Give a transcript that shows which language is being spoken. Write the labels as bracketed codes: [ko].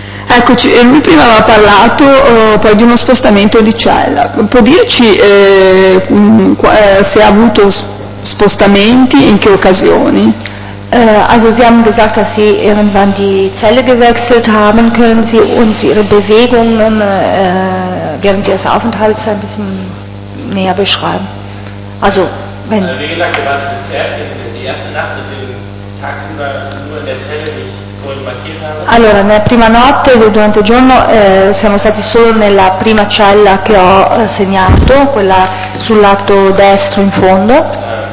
[it] Eccoci, lui prima aveva parlato poi di uno spostamento di cella. Può dirci se ha avuto spostamenti e in che occasioni? [de] Also Sie haben gesagt, dass Sie irgendwann die Zelle gewechselt haben. Können Sie uns Ihre Bewegungen während Ihres Aufenthalts ein bisschen näher beschreiben? Also, wenn... Wie gesagt, wir waren zuerst in der ersten Nacht mit dem tagsüber nur in der Zelle, die ich vorhin markiert habe. [it] Allora, nella prima notte, durante il giorno, siamo stati solo nella prima cella che ho segnato, quella sul lato destro in fondo.